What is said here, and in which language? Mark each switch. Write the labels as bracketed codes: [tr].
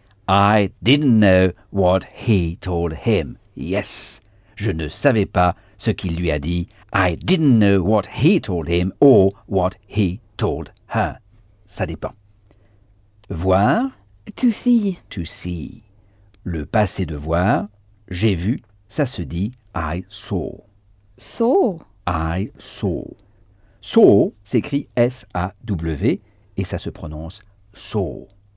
[en] I didn't know what he told him. [fr] Yes, je ne savais pas ce qu'il lui a dit. [en] I didn't know what he told him or what he told her. [fr] Ça dépend. Voir? [en] To see. To see. [fr] Le passé de voir, j'ai vu, ça se dit [en] I saw. Saw. I saw. [fr] Saw s'écrit S-A-W et ça se prononce saw.